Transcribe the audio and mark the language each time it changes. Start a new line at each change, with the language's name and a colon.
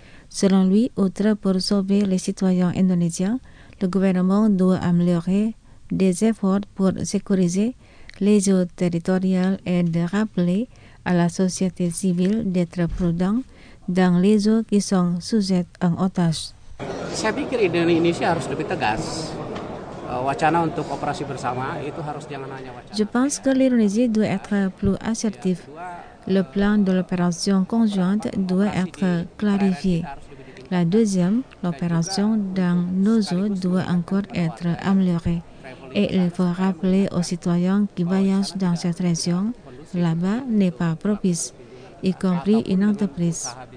French: Selon lui, outre pour sauver les citoyens indonésiens, le gouvernement doit améliorer des efforts pour sécuriser les eaux territoriales et de rappeler à la société civile d'être prudent dans les eaux qui sont sujettes en otage.
Indonesian: Saya pikir Indonesia harus lebih tegas. Wacana untuk operasi bersama itu harus jangan hanya wacana.
French: Je pense que l'Indonésie doit être plus assertif. Le plan de l'opération conjointe doit être clarifié. La deuxième, l'opération dans nos eaux doit encore être améliorée. Et il faut rappeler aux citoyens qui voyagent dans cette région, là-bas n'est pas propice, y compris une entreprise.